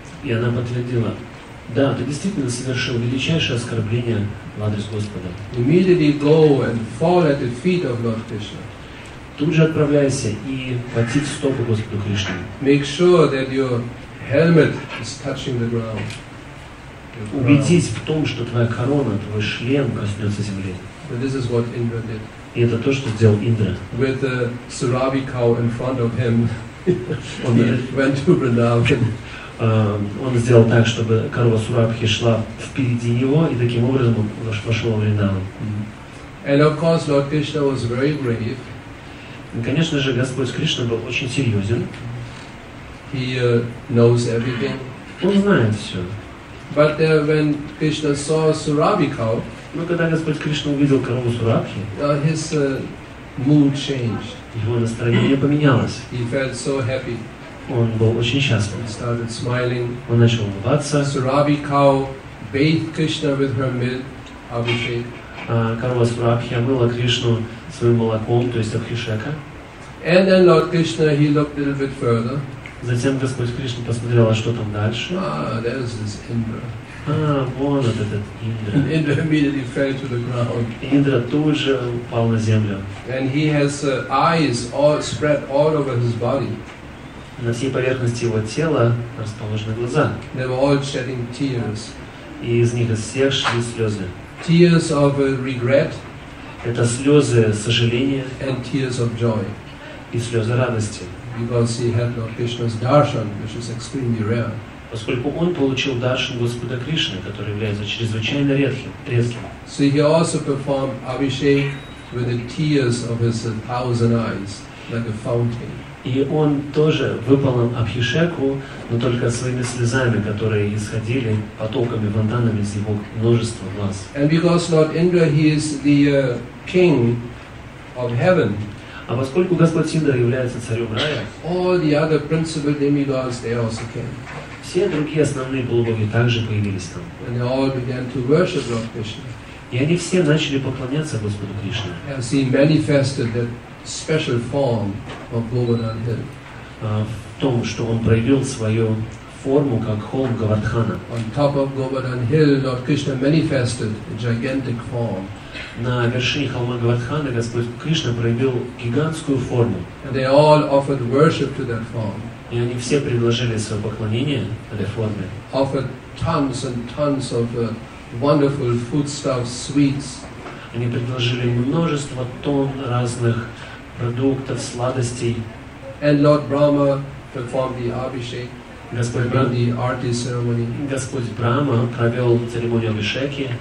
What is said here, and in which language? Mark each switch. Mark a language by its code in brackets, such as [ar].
[ru] И она подтвердила: да, ты действительно совершил величайшее оскорбление в адрес Господа. [en] Immediately go and fall at the feet of Lord Krishna. [ru] Тут же отправляйся и платить стопы Господу Кришне. [en] Make sure that your helmet is touching the ground. [ru] Убедись в том, что твоя корона, твой шлем коснется земли. [en] So this is what Indra did. [ru] И это то, что сделал Индра. [en] With the Surabhi cow in front of him, he went to Vrindavan. [ru] Он сделал так, чтобы корова Сурабхи шла впереди него, и таким образом он пошел в Вриндаван. [en] And of course, Lord Krishna was very brave. [ru] Конечно же, Господь Кришна был очень серьезен. [en] He knows everything. [ru] Он знает все. [en] But when Krishna saw Surabhi cow, [ru] но когда Господь Кришна увидел корову Сурабхи, [en] his mood changed. [ru] Его настроение поменялось. [en] He felt so happy. [ru] Он был очень счастлив. [en] He started smiling. [ru] Он начал улыбаться. [en] Surabhi cow bathed Krishna with her milk, Abhishek. [ru] Корова Сурабхи омыла Кришну своим молоком, то есть Абхишека. [en] And then Lord Krishna, he looked a little bit further. [ru] Затем Господь Кришна посмотрел, а что там дальше. [en] There is this Indra. [ru] Вон этот Индра. [en] Indra immediately fell to the ground. [ru] Индра тут же упал на землю. [en] And he has eyes all spread all over his body. [ru] На всей поверхности его тела расположены глаза. [en] They were all shedding tears. [ru] И из них из всех шли слезы. [en] Tears of regret. [ru] Это слезы сожаления. [en] And tears of joy. [ru] И слезы радости. [en] Because he had Lord Krishna's darshan, which is extremely rare. [ru] Поскольку он получил даршан Господа Кришны, который является чрезвычайно редким. [en] So he also performed Abhishek with the tears of his 1,000 eyes, like a fountain. [ru] И он тоже выполнил Абхишеку, но только своими слезами, которые исходили потоками, фонтанами из его множества глаз. [en] And because Lord Indra, he is the king of heaven. [ru] А поскольку Господь Индра является царем рая, [en] all the other principal demigods, they also came. [ru] Все другие основные полубоги также появились там. [en] And they all began to worship Lord Krishna. [ru] И они все начали поклоняться Господу Кришне. [en] As he manifested that special form of Govardhan Hill. [ru] В том, что он проявил свою форму как холм Говардхана. [en] On top of Govardhan Hill, Lord Krishna manifested a gigantic form. [ru] На вершине холма Говардхана Господь Кришна проявил гигантскую форму. [en] And they all offered worship to that form. [ru] И они все предложили свое поклонение этой форме. [en] Offered tons and tons of wonderful foodstuffs, sweets. [ru] Они предложили множество тонн разных продуктов, сладостей. [en] And Lord Brahma performed the Abhishek. The arti ceremony. [ru] Господь Брама провел церемонию Абхишеки.